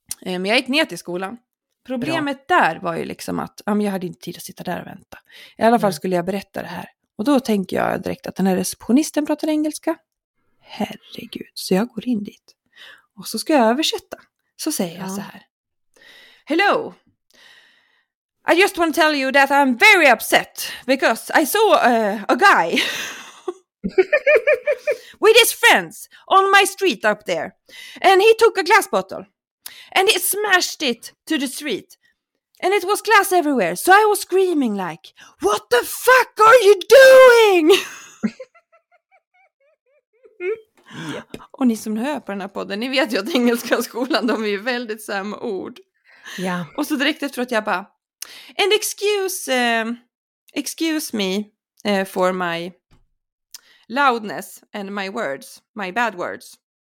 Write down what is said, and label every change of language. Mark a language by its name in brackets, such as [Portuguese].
[Swedish] Men jag gick ner till skolan. Problemet där var ju liksom att jag hade inte tid att sitta där och vänta. I alla fall skulle jag berätta det här. Och då tänker jag direkt att den här receptionisten pratar engelska. Herregud. Så jag går in dit. Och så ska jag översätta. Så säger jag så här. [English] Hello. I just want to tell you that I'm very upset because I saw a guy with his friends on my street up there. And he took a glass bottle and he smashed it to the street. And it was glass everywhere. So I was screaming like, what the fuck are you doing? Yep. [Swedish] Och ni som hör på den här podden, ni vet ju att engelska skolan, de är ju väldigt samma ord. [English] Yeah. [Swedish] Och så direkt efter att jag bara, [English] and excuse me for my loudness and my words, my bad words.